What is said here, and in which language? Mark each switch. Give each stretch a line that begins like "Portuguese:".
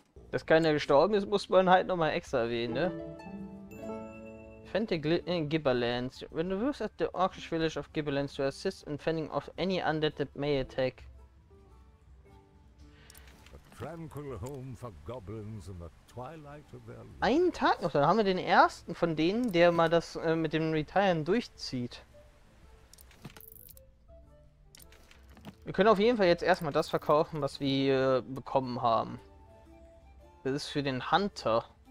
German: Dass keiner gestorben ist, muss man halt nochmal extra erwähnen, ne?
English: Fend the Gibberlands. When you work at the Orcish Village of Gibberlands to assist in fending off any undead that may attack. A tranquil home for goblins in the twilight of their life.
German: Einen Tag noch, dann haben wir den ersten von denen, der mal das mit dem Retiren durchzieht. Wir können auf jeden Fall jetzt erstmal das verkaufen, was wir bekommen haben. Das ist für den Hunter.